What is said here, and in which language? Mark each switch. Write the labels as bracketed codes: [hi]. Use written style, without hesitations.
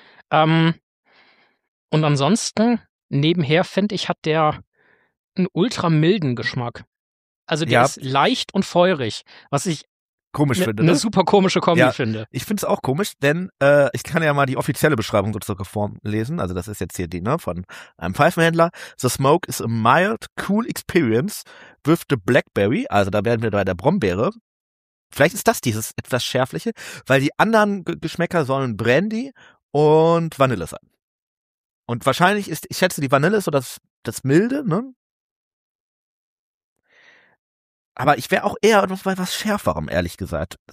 [de] Und ansonsten, nebenher finde ich, hat der einen ultra milden Geschmack. Also der ist leicht und feurig, was ich komisch finde. Eine super komische Kombi finde. Ich finde es auch komisch, denn ich kann ja mal die offizielle Beschreibung sozusagen vorlesen. Also das ist jetzt hier die, ne, von einem Pfeifenhändler. [en] The smoke is a mild, cool experience with the blackberry. [de] Also da werden wir bei der Brombeere. Vielleicht ist das dieses etwas schärfliche, weil die anderen Geschmäcker sollen Brandy und Vanille sein. Und wahrscheinlich ist, ich schätze, die Vanille ist so das Milde, ne? Aber ich wäre auch eher bei was Schärferem, ehrlich gesagt.